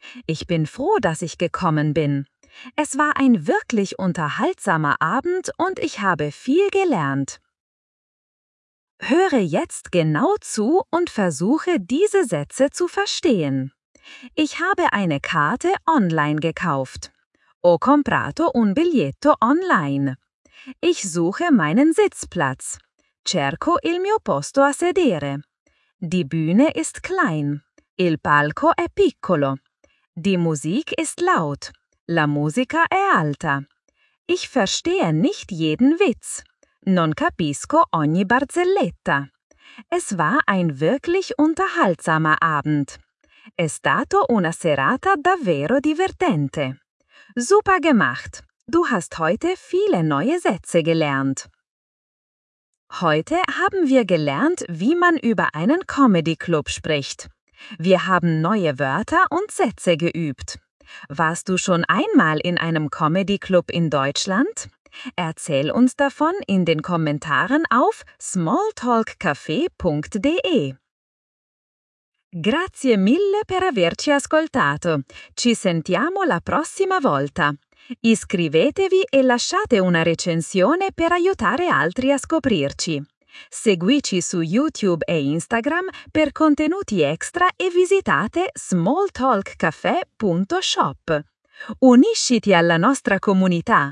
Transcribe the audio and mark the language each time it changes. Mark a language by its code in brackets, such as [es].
[de] Ich bin froh, dass ich gekommen bin. Es war ein wirklich unterhaltsamer Abend und ich habe viel gelernt. Höre jetzt genau zu und versuche, diese Sätze zu verstehen. Ich habe eine Karte online gekauft. [it] Ho comprato un biglietto online. [de] Ich suche meinen Sitzplatz. [it] Cerco il mio posto a sedere. [de] Die Bühne ist klein. [it] Il palco è piccolo. [de] Die Musik ist laut. [it] La musica è alta. [de] Ich verstehe nicht jeden Witz. [it] Non capisco ogni barzelletta. [de] Es war ein wirklich unterhaltsamer Abend. [it] È stato una serata davvero divertente. [de] Super gemacht! Du hast heute viele neue Sätze gelernt. Heute haben wir gelernt, wie man über einen Comedy Club spricht. Wir haben neue Wörter und Sätze geübt. Warst du schon einmal in einem Comedy Club in Deutschland? Erzähl uns davon in den Kommentaren auf smalltalkcafe.de. [it] Grazie mille per averci ascoltato. Ci sentiamo la prossima volta. Iscrivetevi e lasciate una recensione per aiutare altri a scoprirci. Seguici su YouTube e Instagram per contenuti extra e visitate smalltalkcafe.shop. Unisciti alla nostra comunità!